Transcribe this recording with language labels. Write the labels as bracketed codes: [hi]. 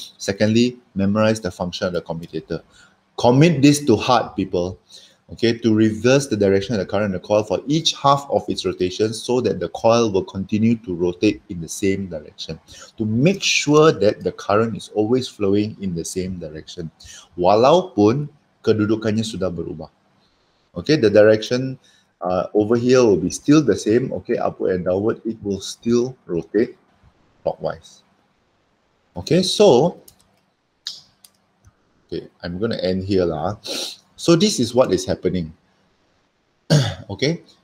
[en] Secondly, memorize the function of the commutator. Commit this to heart, people. Okay, to reverse the direction of the current in the coil for each half of its rotation so that the coil will continue to rotate in the same direction. To make sure that the current is always flowing in the same direction. [ms] Walaupun kedudukannya sudah berubah. [en] Okay, the direction over here will be still the same. Okay, upward and downward, it will still rotate clockwise. Okay, so, okay, I'm going to end here lah. So this is what is happening, okay?